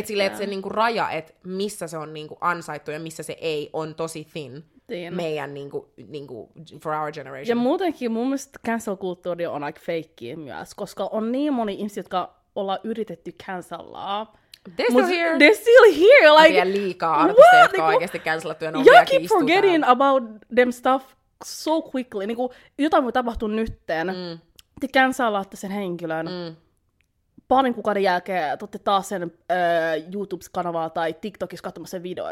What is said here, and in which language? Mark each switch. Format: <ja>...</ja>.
<fi>Et silleen, että se niinku raja, että missä se on niinku ansaittu ja missä se ei, on tosi thin. Siin. Meidän, niinku,</fi> <en>for our generation.</en> <fi>Ja muutenkin mun mielestä cancel-kulttuuri on aika feikkiä myös, koska on niin moni ihmisiä, jotka ollaan yritetty cancellaa.</fi> <en>They're still here! Like,</en> <fi>vielä liikaa artisteja, jotka niinku, on oikeasti cancelattu ja ne on vieläkin istuutaan.</fi> <en>Y'all keep forgetting about them stuff so quickly.</en> <fi>Niinku, jotain voi tapahtua nytten. Te cancelaatte sen henkilön. Paljon kuukauden jälkeen tuotte taas sen YouTube-kanavaa tai TikTokissa katsomassa sen videoa.</fi>